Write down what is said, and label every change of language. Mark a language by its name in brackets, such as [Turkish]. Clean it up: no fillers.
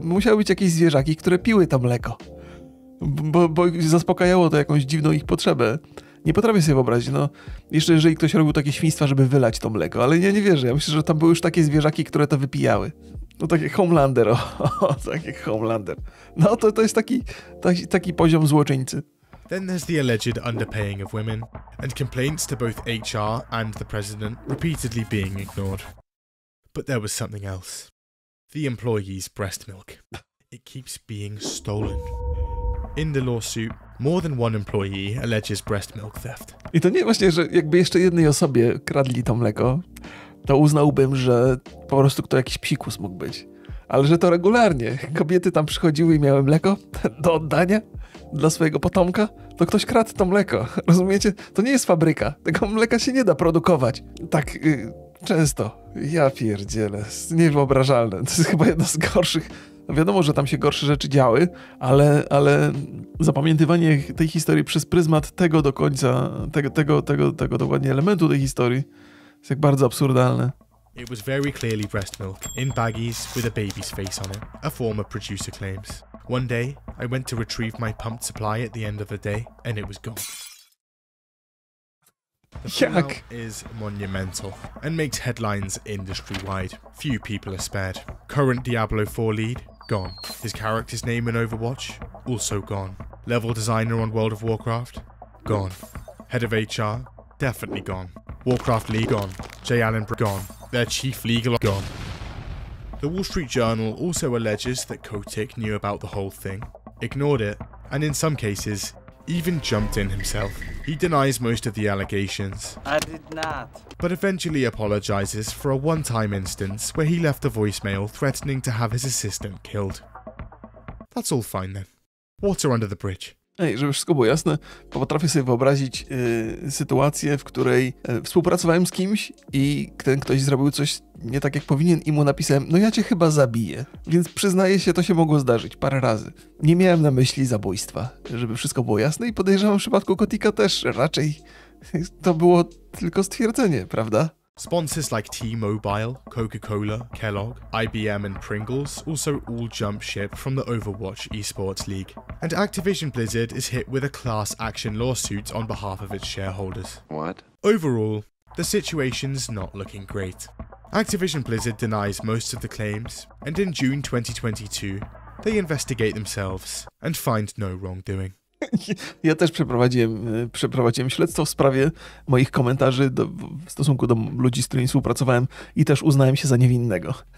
[Polish] Musiały być jakieś zwierzaki, które piły to mleko. Bo zaspokajało to jakąś dziwną ich potrzebę. Nie potrafię sobie wyobrazić, no... Jeszcze jeżeli ktoś robił takie świństwa, żeby wylać to mleko. Ale ja nie wierzę. Ja myślę, że tam były już takie zwierzaki, które to wypijały. No takie Homelander, takie Homelander. No to jest taki poziom złoczyńcy. [English] Then there's the alleged underpaying of women and complaints to both HR and the president repeatedly being ignored. But there was something else. The employee's breast milk. It keeps being stolen. In the lawsuit, more than one employee alleges breast milk theft. [Polish] I to nie właśnie, że jakby jeszcze jednej osobie kradli to mleko, to uznałbym, że po prostu to jakiś psikus mógł być. Ale że to regularnie. Kobiety tam przychodziły i miały mleko do oddania dla swojego potomka, to ktoś kradł to mleko. Rozumiecie? To nie jest fabryka. Tego mleka się nie da produkować. Tak często. Ja pierdzielę. Niewyobrażalne. To jest chyba jedno z gorszych Wiadomo, że tam się gorsze rzeczy działy, ale zapamiętywanie tej historii przez pryzmat tego do końca, tego dokładnie elementu tej historii jest jak bardzo absurdalne. [English] It was very clearly breast milk, in baggies, with a baby's face on it, a former producer claims. One day, I went to retrieve my pumped supply at the end of the day, and it was gone. The Jak? Female is monumental, and makes headlines industry-wide. Few people are spared. Current Diablo 4 lead, gone. His character's name in Overwatch, also gone. Level designer on World of Warcraft, gone. Head of HR, definitely gone. Warcraft League, gone. Jay Allen, gone. Their chief legal, gone. The Wall Street Journal also alleges that Kotick knew about the whole thing, ignored it, and in some cases, even jumped in himself. He denies most of the allegations. I did not. But eventually apologizes for a one-time instance where he left a voicemail threatening to have his assistant killed. That's all fine then. Water under the bridge. [Polish] Ej, żeby wszystko było jasne, potrafię sobie wyobrazić sytuację, w której współpracowałem z kimś i ten ktoś zrobił coś nie tak jak powinien i mu napisałem, no ja cię chyba zabiję. Więc przyznaję się, to się mogło zdarzyć parę razy. Nie miałem na myśli zabójstwa, żeby wszystko było jasne i podejrzewam w przypadku Kotika też raczej to było tylko stwierdzenie, prawda? [English] Sponsors like T-Mobile, Coca-Cola, Kellogg, IBM and Pringles also all jump ship from the Overwatch Esports League. And Activision Blizzard is hit with a class action lawsuit on behalf of its shareholders. What? Overall, the situation's not looking great. Activision Blizzard denies most of the claims, and in June 2022, they investigate themselves and find no wrongdoing. [Polish] Ja też przeprowadziłem śledztwo w sprawie moich komentarzy w stosunku do ludzi, z którymi współpracowałem i też uznałem się za niewinnego.